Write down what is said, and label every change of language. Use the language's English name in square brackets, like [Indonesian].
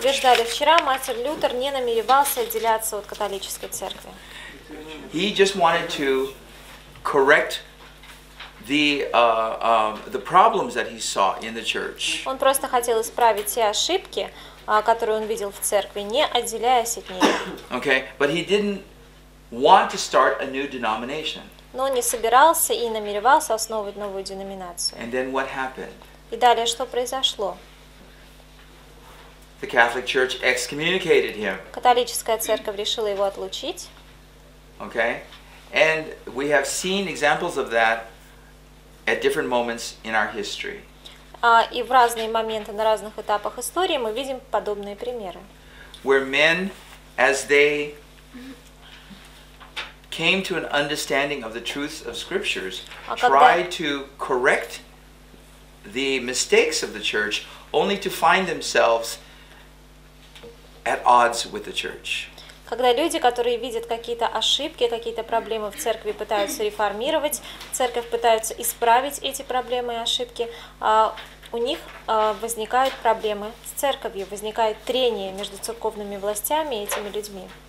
[Russian] Утверждали вчера, Мартин Лютер не намеревался отделяться от католической церкви. [English] He just wanted to correct the problems that he saw in the church. [Russian] Он просто хотел исправить те ошибки, которые он видел в церкви, не отделяясь от них. [English] Okay, but he didn't want to start a new denomination. [Russian] Но он не собирался и намеревался основывать новую деноминацию. [English] And then what happened? [Russian] И далее что произошло? [English] The Catholic Church excommunicated him. [Russian] Католическая церковь решила его отлучить. [English] Okay, and we have seen examples of that at different moments in our history. [Russian] И в разные моменты на разных этапах истории мы видим подобные примеры. [English] Where men, as they came to an understanding of the truths of scriptures, tried to correct the mistakes of the church, only to find themselves at odds with the church. [Russian] Когда люди, которые видят какие-то ошибки, какие-то проблемы в церкви, пытаются реформировать, церковь пытается исправить эти проблемы и ошибки, у них возникают проблемы с церковью, возникает трение между церковными властями и этими людьми.